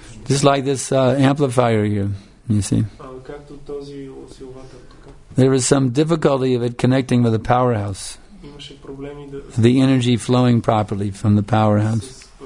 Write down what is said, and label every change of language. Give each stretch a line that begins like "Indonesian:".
English: Just like this amplifier here, you see.
Bulgarian: Както този осилватор тук.
English: There is some difficulty of it connecting with the powerhouse.
Bulgarian: Имаше проблеми да
English: The energy flowing properly from the powerhouse.